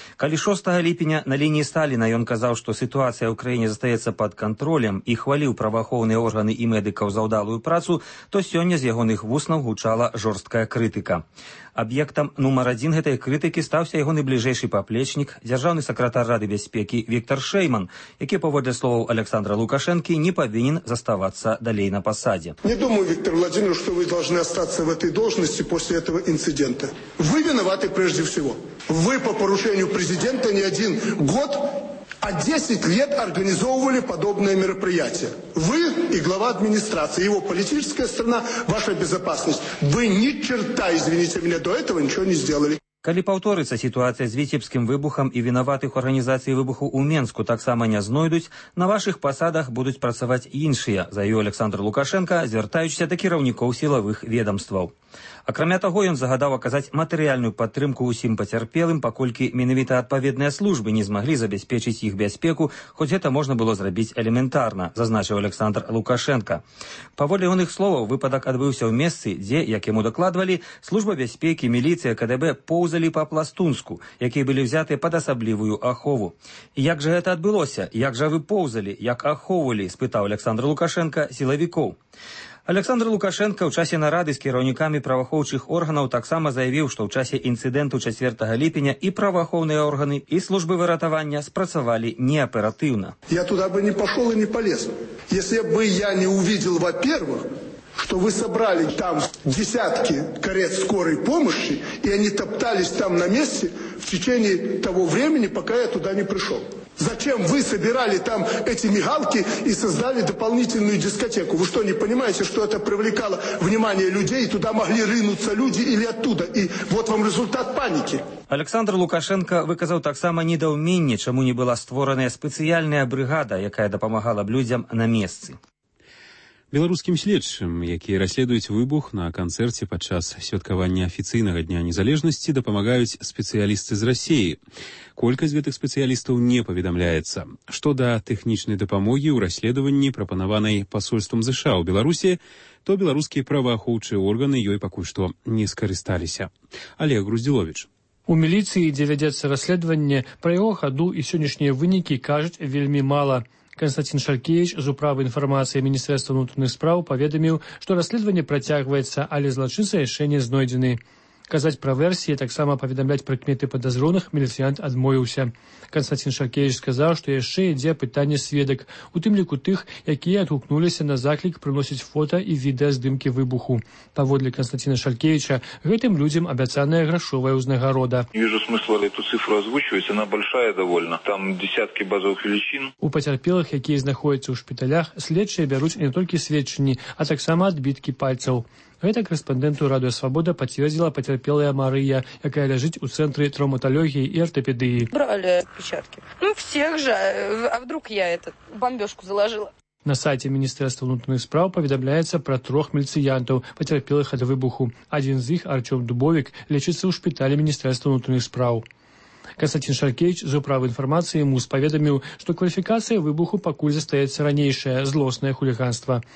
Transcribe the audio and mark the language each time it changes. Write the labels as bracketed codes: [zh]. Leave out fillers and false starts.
[be] Калі 6 ліпеня на лініі Сталіна ён казаў, што сітуацыя ў краіне застаецца пад кантролем і хваліў праваахоўныя органы і медыкаў за ўдалую працу, то сёння з ягоных вуснаў гучала жорсткая крытыка. Аб'ектам нумар адзін гэтай крытыкі стаўся яго найбліжэйшы паплечнік, дзяржаўны сакратар Рады бяспекі Віктар Шэйман, які, паводле словаў Александра Лукашэнкі, не павінен заставацца далей на пасадзе. [ru] Не думаю, Віктор Владимирович, што вы должны астацца в этой должности после этого інцидента. Вы виноваты прежде всего. Вы по парушэнню президента не один год, а 10 лет организовывали подобное мероприятие. Вы и глава администрации, его политическая сторона, ваша безопасность. Вы ни черта, извините меня, до этого ничего не сделали. [be] Калі паўторыцца сітуацыя з віцебскім выбухам і вінаватых арганізацый выбуху ў Менску таксама не знойдуць, на вашых пасадах будуць працаваць іншыя, заявіў Александр Лукашэнка, звяртаючыся да кіраўнікоў сілавых ведамстваў. Акрамя таго, ён загадаў аказаць матэрыяльную падтрымку ўсім пацярпелым, паколькі менавіта адпаведныя службы не змаглі забяспечыць іх бяспеку, хоць гэта можна было зрабіць элементарна, зазначыў Александр Лукашэнка. Паводле ягоных словаў, выпадак адбыўся ў месцы, дзе, як яму дакладвалі, служба бяспекі, міліцыя, КДБ поўзалі па пластунску, якія былі взяты пад асаблівую ахову. Як жа гэта адбылося? Як жа вы поўзалі? Як ахоўвалі? Спытаў Александр Лукашэнка сілавікоў. Александр Лукашенко ў часе нарады з кіраўнікамі праваахоўчых органаў таксама заявіў, што ў часе інцыдэнту 4 ліпеня і праваахоўныя органы, і службы выратавання спрацавалі неаператыўна. [ru] Я туда бы не пошел и не полез, если бы я не увидел, во-первых, что вы собрали там десятки карет скорой помощи, и они топтались там на месте в течение того времени, пока я туда не пришел. Зачем вы собирали там эти мигалки и создали дополнительную дискотеку? Вы что, не понимаете, что это привлекало внимание людей, и туда могли рынуться люди или оттуда? И вот вам результат паники. [be] Александр Лукашенко выказаў таксама недоуменне, чаму не была створаная спецыяльная брыгада, якая дапамагала б людзям на месцы. Беларускім следчым, якія расследуюць выбух на канцэрце падчас святкавання афіцыйнага дня незалежнасці, дапамагаюць спецыялісты з Расіі. Колькасць гэтых спецыялістаў не паведамляецца. Што да тэхнічнай дапамогі ў расследаванні, прапанаванай пасольствам ЗША ў Беларусі, то беларускія праваахоўчыя органы ёй пакуль што не скарысталіся. Олег Груздзіловіч. У міліцыі, дзе вядзецца расследаванне, пра яго хаду і сённяшнія вынікі кажуць вельмі мала. Константин Шалькевич з управы інфармацыі Міністэрства ўнутраных справ паведаміў, што расследаванне працягваецца, але злачынца яшчэ не знойдзены. Казаць пра версіі, таксама паведамляць прыкметы падазроных, міліцыянт адмовіўся. Константин Шалькевич сказаў, што яшчэ ідзе пытанне сведак, у тым ліку тых, якія адгукнуліся на заклік прыносіць фота і відэа здымкі выбуху. Паводле Константина Шалькевича, гэтым людзям абяцаная грашовая ўзнагарода. [ru] Вижу смысл, але эту цифру озвучваюць, она большая довольно. Там десятки базовых величин. [be] У пацярпелых, якія знаходзяцца ў шпіталях, следчыя бяруць не толькі сведчанні, а таксама адбіткі пальцаў. Гэта корэспандэнту Радыё Свабода пацвердзіла пацярпелая Марыя, якая ляжыць у цэнтры траўматалогіі і артапедыі. Бралі пячаткі. [ru] Ну, всех жа, а вдруг я этот бамбёжку залажыла. [be] На сайте Міністэрства ўнутраных справ паведамляецца пра трох міліцыянтаў, пацярпелых ад выбуху. Адзін з іх, Арцём Дубовік, лечыцца ў шпіталі Міністэрства ўнутраных справ. Константин Шалькевич з управы інфармацыі МУС паведаміў, што кваліфікацыя выбуху пакуль застаецца ранейшае злоснае хуліганства.